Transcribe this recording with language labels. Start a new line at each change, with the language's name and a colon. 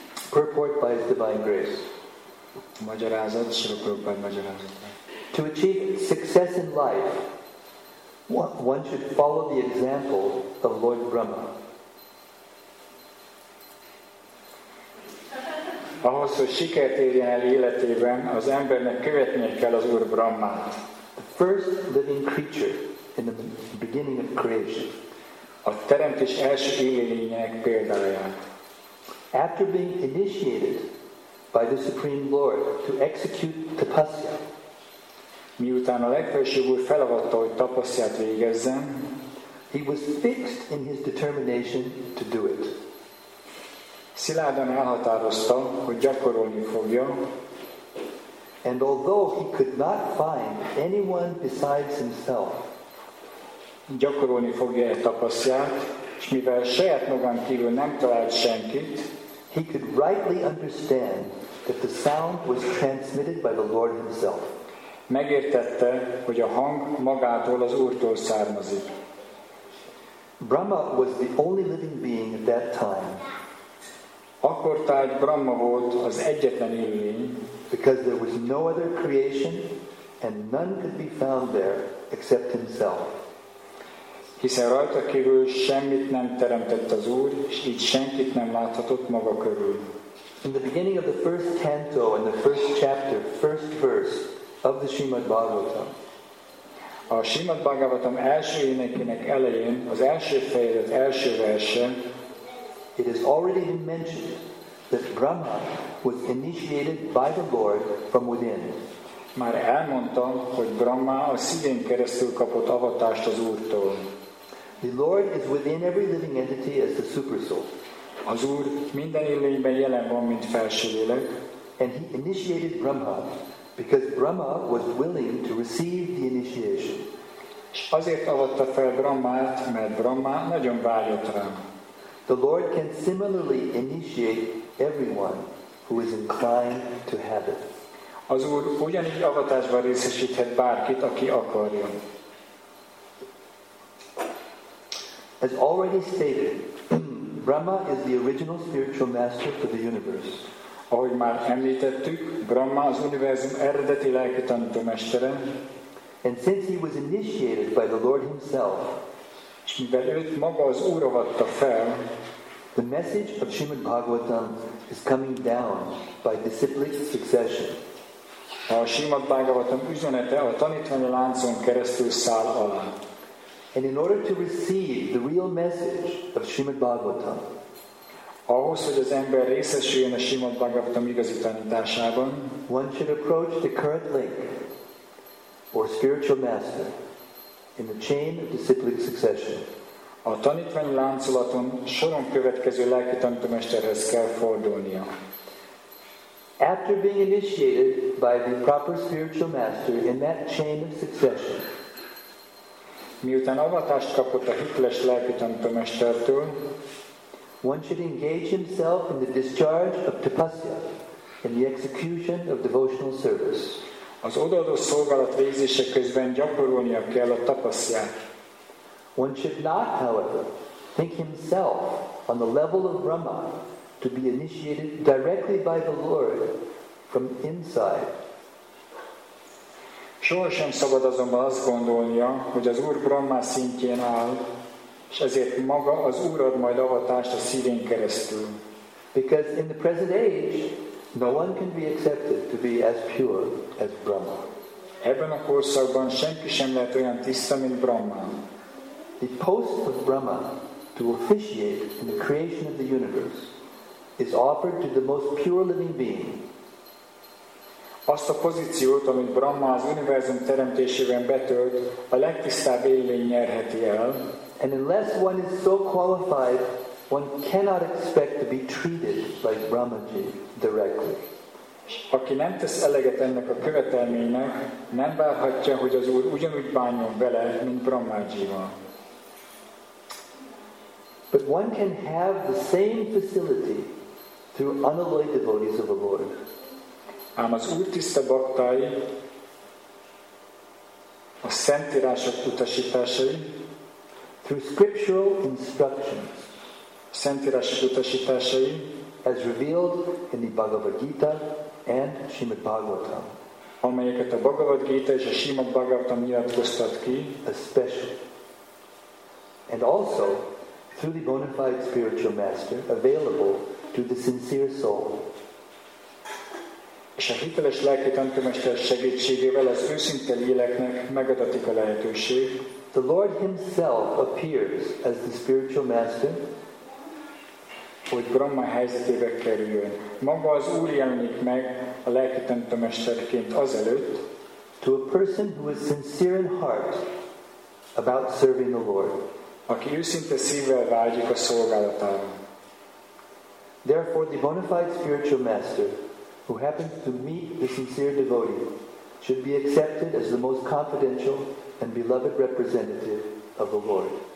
English: Purport by His Divine Grace.
Hungarian: Magyarázat, Srila Prabhupada magyarázat.
English: To achieve success in life, one should follow the example of Lord Brahma.
Hungarian: Ahhoz, hogy sikert érjen el életében, az embernek követnie kell az Úr Brahmát.
English: The first living creature in the beginning of creation.
Hungarian: A teremtés első élőlénye példáját.
English: After being initiated by the Supreme Lord to execute tapasya,
Hungarian: miután a legfelsőbb úr felavatta, hogy tapasztját végezzen,
English: he was fixed in his determination to do it.
Hungarian: Szilárdan elhatározta, hogy gyakorolni fogja.
English: And although he could not find anyone besides himself,
Hungarian: gyakorolni fogja a tapasztját, és mivel saját magán kívül nem talált senkit,
English: he could rightly understand that the sound was transmitted by the Lord himself.
Hungarian: Megértette, hogy a hang magától, az Úrtól származik.
English: Brahma was the only living being at that time.
Hungarian: Akkortájt Brahma volt az egyetlen élőlény,
English: because there was no other creation and none could be found there except himself.
Hungarian: Hiszen rajta kívül semmit nem teremtett az Úr, és így senkit nem láthatott maga körül.
English: In the beginning of the first canto, in the first chapter, first verse of the Srimad Bhagavatam,
Hungarian: a Srimad Bhagavatam első énekének elején, az első fejezet első verse,
English: it is already mentioned that Brahma was initiated by the Lord from within.
Hungarian: Már elmondtam, hogy Brahma a szívén keresztül kapott avatást az Úrtól.
English: The Lord is within every living entity as the Supersoul.
Hungarian: Az Úr minden élőlényben jelen van, mint felső lélek.
English: And he initiated Brahma because Brahma was willing to receive the initiation.
Hungarian: És azért avatta fel Brahmát, mert Brahma nagyon vágyott rá.
English: The Lord can similarly initiate everyone who is inclined to have it.
Hungarian: Az Úr ugyanígy avatásban részesíthet bárkit, aki akarja.
English: As already stated, Brahma is the original spiritual master for the universe.
Hungarian: Ahogy már említettük, Brahma az univerzum eredeti lelki tanító mestere.
English: And since he was initiated by the Lord himself,
Hungarian: és mivel őt maga az Úr avatta fel,
English: the message of Srimad Bhagavatam is coming down by disciplic succession.
Hungarian: A Srimad Bhagavatam üzenete a tanítványi láncon keresztül száll alá.
English: And in order to receive the real message of Srimad Bhagavatam,
Hungarian: ahhoz, hogy az ember részesüljön a Srimad Bhagavatam igazi tanításában,
English: one should approach the current link or spiritual master in the chain of disciplic succession.
Hungarian: A tanítvány láncolaton soron következő lelki tanítómesterhez kell fordulnia.
English: After being initiated by the proper spiritual master in that chain of succession,
Hungarian: miután avatást kapott a hiteles lelki tanítómestertől,
English: one should engage himself in the discharge of tapasya, in the execution of devotional service.
Hungarian: Az odaadó szolgálat végzése közben gyakorolnia kell a tapasztját.
English: One should not, however, think himself on the level of Brahma to be initiated directly by the Lord from inside.
Hungarian: Soha sem szabad azonban azt gondolnia, hogy az Úr Brahma szintjén áll, és ezért maga az Úr ad majd avatást a szívén keresztül.
English: Because in the present age, no one can be accepted to be as pure as Brahma.
Hungarian: Ebben a korszakban senki sem lehet olyan tiszta, mint Brahma.
English: The post of Brahma to officiate in the creation of the universe is offered to the most pure living being.
Hungarian: Azt a pozíciót, amit Brahma az univerzum teremtésében betölt, a legtisztább élőlény nyerheti el.
English: And unless one is so qualified, one cannot expect to be treated like Brahmaji directly.
Hungarian: Aki nem tesz eleget ennek a követelménynek, nem várhatja, hogy az Úr ugyanúgy bánjon vele, mint Brahmajival.
English: But one can have the same facility through unalloyed devotees of the Lord.
Hungarian: Ám az Úr tiszta baktái, a szentírások utasításai,
English: through scriptural instructions,
Hungarian: szentírások utasításai,
English: as revealed in the Bhagavad Gita and Srimad Bhagavatam,
Hungarian: amelyeket a Bhagavad Gita és a Srimad Bhagavatam nyilatkoztat ki,
English: especially, and also through the bona fide spiritual master available to the sincere soul.
Hungarian: És a hiteles lelki tanítómester segítségével az őszinte léleknek megadatik a lehetőség.
English: The Lord himself appears as the spiritual master.
Hungarian: hogy Brahma helyzetébe kerüljön. Maga az Úr jelenik meg a lelki tantramesterként azelőtt,
English: to a person who is sincere in heart about serving the Lord.
Hungarian: Aki őszinte szívvel vágyik a szolgálatára.
English: Therefore, the bona fide spiritual master who happens to meet the sincere devotee should be accepted as the most confidential and beloved representative of the Lord.